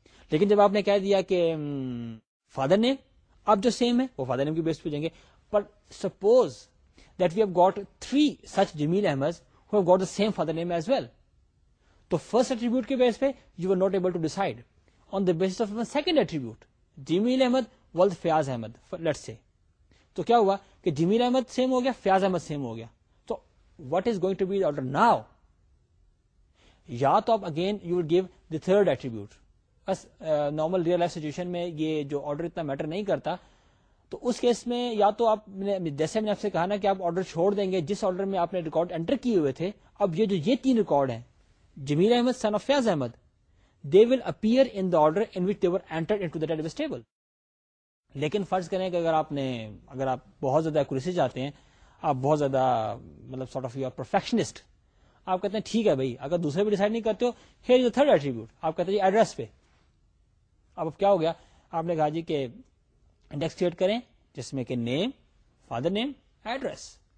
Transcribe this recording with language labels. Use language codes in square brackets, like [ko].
[ur] لیکن جب آپ نے کہہ دیا کہ فادر نیم اب جو سیم ہے وہ فادر نیم کے بیس پہ جائیں گے, [en] پر suppose that we have got 3 such [ur] Jamil Ahmad [en] who have got the same father name as well, [ur] تو فرسٹ ایٹریبیوٹ کے بیس پہ [en] You are not able to decide on the basis of a second attribute, Jameel Ahmed was Fayaz Ahmed, let's say. [ur] تو کیا ہوا کہ جمیل Ahmad same ہو گیا, Fayyaz Ahmad same ہو گیا. [en] تو what is going to be order now? [ur] یا تو آپ [en] Again you would give the third attribute. [ur] بس نارمل ریئل لائف سچویشن میں یہ جو آرڈر اتنا میٹر نہیں کرتا, تو اس کیس میں یا تو آپ نے, جیسے میں نے آپ سے کہا نا کہ آپ آرڈر چھوڑ دیں گے جس آرڈر میں آپ نے ریکارڈ انٹر کیے ہوئے تھے. اب یہ جو یہ تین ریکارڈ ہیں, [en] Jameel Ahmed son of Fayaz Ahmed, they will appear in the order in which they were entered into the database table. [ur] لیکن فرض کریں کہ اگر آپ نے, اگر آپ بہت زیادہ ایکوریسی چاہتے ہیں, آپ بہت زیادہ مطلب [en] sort of you are perfectionist, [ur] آپ کہتے ہیں ٹھیک ہے بھائی, اگر دوسرے بھی ڈیسائڈ نہیں کرتے ہو, [en] Here is the third attribute. [ur] آپ کہتے ہیں ایڈریس پہ. اب کیا ہو گیا, آپ نے کہا جی کہ انڈیکس کریٹ کریں جس میں کہ نیم, فادر نیم, ایڈریس.